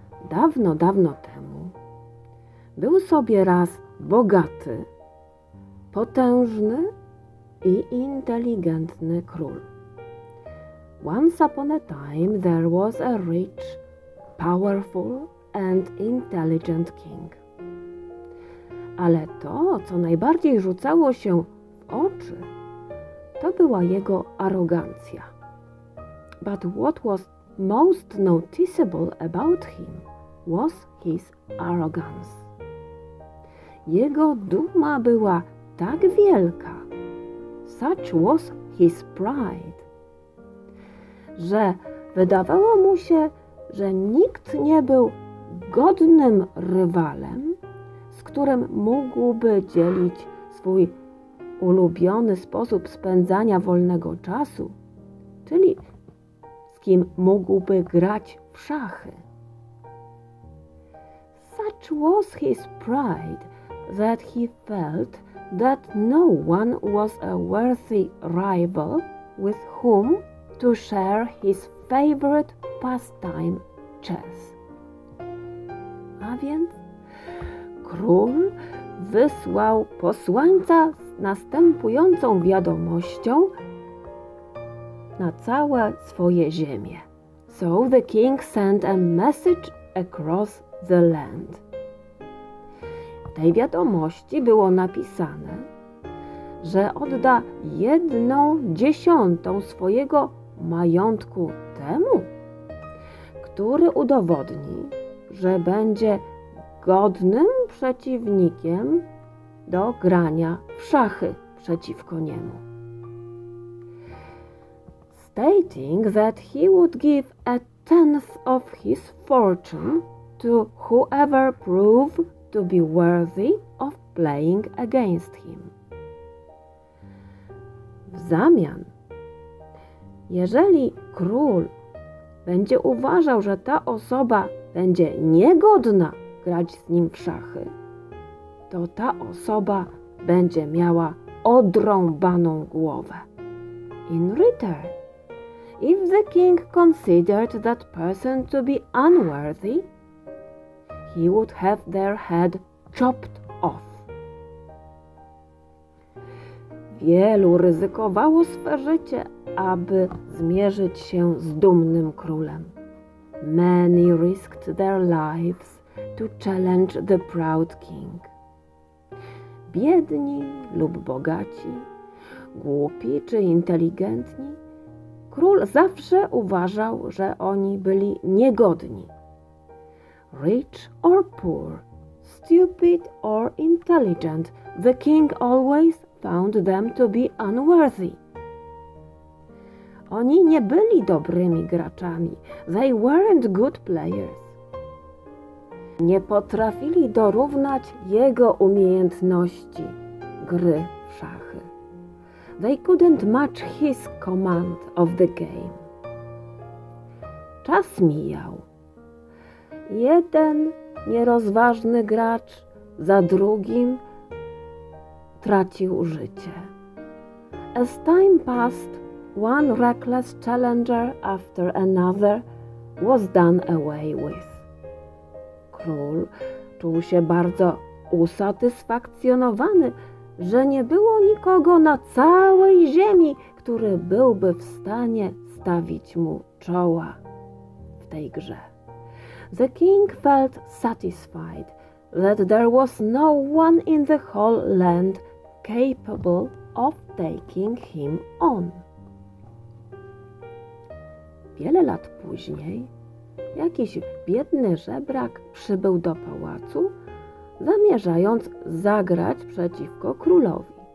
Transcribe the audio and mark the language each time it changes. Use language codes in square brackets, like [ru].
[pl] Dawno, dawno temu był sobie raz bogaty, potężny i inteligentny król. [en] Once upon a time there was a rich, powerful and intelligent king. [pl] Ale to, co najbardziej rzucało się w oczy, to była jego arogancja. [en] But what was most noticeable about him was his arrogance. [pl] Jego duma była tak wielka, [en] such was his pride, [pl] że wydawało mu się, że nikt nie był godnym rywalem, z którym mógłby dzielić swój ulubiony sposób spędzania wolnego czasu, czyli z kim mógłby grać w szachy. [en] Such was his pride that he felt that no one was a worthy rival with whom to share his favorite pastime, chess. [pl] A więc król wysłał posłańca z następującą wiadomością na całe swoje ziemie. [en] So the king sent a message across the land. [pl] W tej wiadomości było napisane, że odda 1/10 swojego majątku temu, który udowodni, że będzie godnym przeciwnikiem do grania w szachy przeciwko niemu. [en] Stating that he would give a tenth of his fortune to whoever prove to be worthy of playing against him. [pl] W zamian, jeżeli król będzie uważał, że ta osoba będzie niegodna grać z nim w szachy, to ta osoba będzie miała odrąbaną głowę. [en] In return, if the king considered that person to be unworthy, he would have their head chopped off. [pl] Wielu ryzykowało swe życie, aby zmierzyć się z dumnym królem. [en] Many risked their lives to challenge the proud king. [pl] Biedni lub bogaci, głupi czy inteligentni, król zawsze uważał, że oni byli niegodni. [en] Rich or poor, stupid or intelligent, the king always found them to be unworthy. [pl] Oni nie byli dobrymi graczami. [en] They weren't good players. [pl] Nie potrafili dorównać jego umiejętności gry w szachy. [en] They couldn't match his command of the game. [pl] Czas mijał. Jeden nierozważny gracz za drugim tracił życie. [en] As time passed, one reckless challenger after another was done away with. [pl] Król czuł się bardzo usatysfakcjonowany, że nie było nikogo na całej ziemi, który byłby w stanie stawić mu czoła w tej grze. [en] The king felt satisfied that there was no one in the whole land capable of taking him on. [pl] Wiele lat później jakiś biedny żebrak przybył do pałacu, zamierzając zagrać przeciwko królowi.